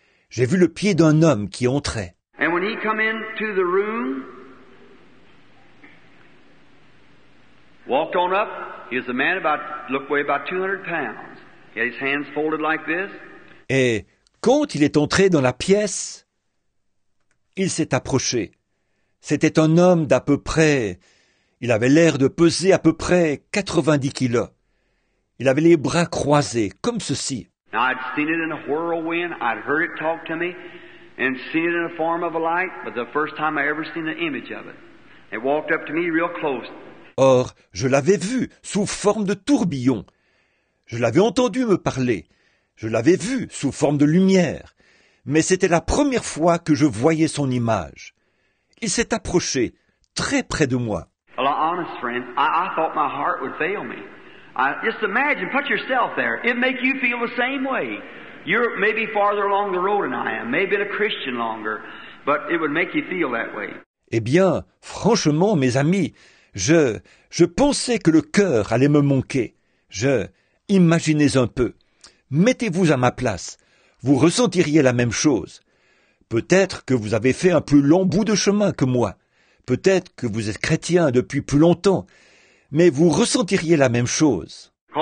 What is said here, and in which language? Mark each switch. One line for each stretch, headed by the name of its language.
French: J'ai vu le pied d'un homme qui entrait.
English: And when he come into the room, walked on up, he was a man about, looked way about 200 pounds. He had his hands folded like this.
French: Et quand il est entré dans la pièce, il s'est approché. C'était un homme d'à peu près, il avait l'air de peser à peu près 90 kilos. Il avait les bras croisés, comme ceci.
English: I'd seen it in a whirlwind, I'd heard it talk to me, and seen it in a form of a light, but the first time I ever seen the image of it. It walked up to me real close.
French: Or, je l'avais vu sous forme de tourbillon. Je l'avais entendu me parler. Je l'avais vu sous forme de lumière. Mais c'était la première fois que je voyais son image. Il s'est approché très près de moi.
English: Well, honest friend, I thought my heart would fail me. Just imagine, put yourself there. It'd make you feel the same way. You're maybe farther along the road than I am, maybe been a Christian longer, but it would make you feel that way.
French: Eh bien, franchement, mes amis, je pensais que le cœur allait me manquer. Imaginez un peu. Mettez-vous à ma place. Vous ressentiriez la même chose. Peut-être que vous avez fait un plus long bout de chemin que moi. Peut-être que vous êtes chrétien depuis plus longtemps, mais vous ressentiriez la même chose.